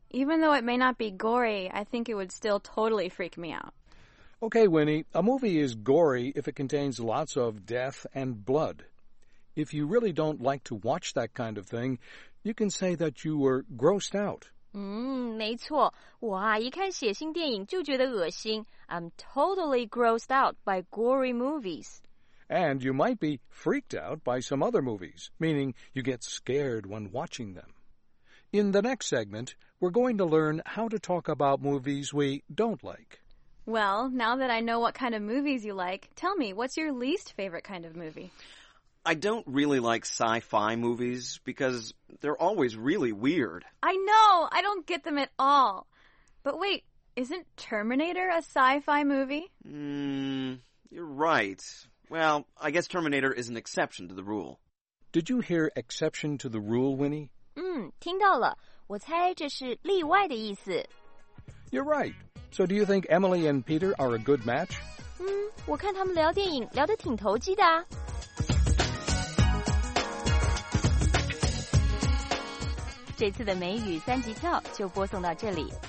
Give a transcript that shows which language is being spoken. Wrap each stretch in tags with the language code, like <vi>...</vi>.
<en>Even though it may not be gory, I think it would still totally freak me out. Okay, Winnie, a movie is gory if it contains lots of death and blood. If you really don't like to watch that kind of thing, you can say that you were grossed out.</en> <zh>没错。我啊，一看血腥电影就觉得恶心。</zh> <en>I'm totally grossed out by gory movies. And you might be freaked out by some other movies, meaning you get scared when watching them. In the next segment, we're going to learn how to talk about movies we don't like. Well, now that I know what kind of movies you like, tell me, what's your least favorite kind of movie? I don't really like sci-fi movies because they're always really weird. I know! I don't get them at all! But wait, isn't Terminator a sci-fi movie? You're right. Well, I guess Terminator is an exception to the rule. Did you hear exception to the rule, Winnie?</en> <zh>听到了。我猜这是例外的意思。</zh> <en>You're right. So do you think Emily and Peter are a good match?</en> <zh>我看他们聊电影聊得挺投机的啊。这次的美语三级跳就播送到这里。</zh>